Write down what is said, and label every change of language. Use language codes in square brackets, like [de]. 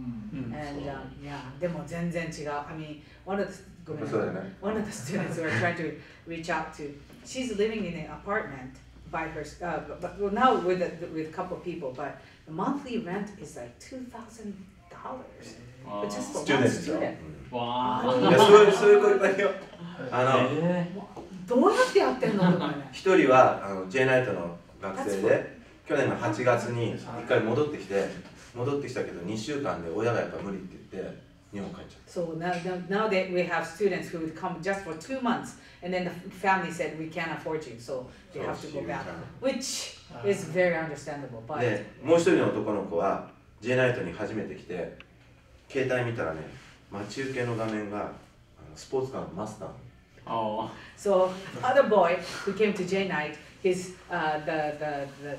[en] And yeah, [ja] でも全然違う。 [en] I mean, one of the students who are trying to reach out to, she's living in an apartment by her, well, now with a couple of people, but the monthly rent is like $2,000. But just for one student. Wow. [ja] そういうこと言ったよ。どうやってやってんの？一人はあの J ナイトの学生で去年の8月に一回戻ってきて戻ってきたけど2週間で親がやっぱ無理って言って日本帰っちゃった。 [en] So now that we have students who would come just for 2 months and then the family said we can't afford you, so they have to go back, which is very understandable. But [ja] でもう一人の男の子は J ナイトに初めて来て携帯見たらね待ち受けの画面がスポーツカーのマスター。 [en] Oh. So other boy who came to J Night, his the